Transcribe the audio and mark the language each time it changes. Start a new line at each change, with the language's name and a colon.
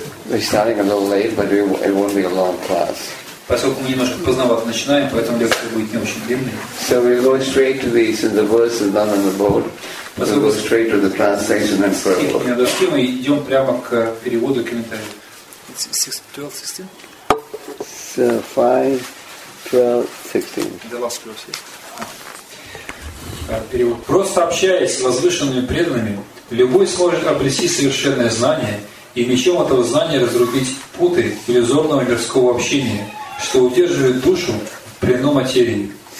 English: We're starting a little late, but it won't be a long class.
Russian: Поскольку мы немножко поздновато начинаем, поэтому лекция будет не очень длинной.
English: So we go straight to the, since the verse is not on the board, we go straight to the translation and prayer.
Russian: Мы идем прямо к переводу и комментарию.
English: 12:16. So 5:12:16. The last verse.
Russian: Перевод. Просто общаясь с возвышенными преданными, любой сможет обрести совершенное знание и мечом этого знания разрубить путы иллюзорного мирского общения, что удерживает душу в пленном материи.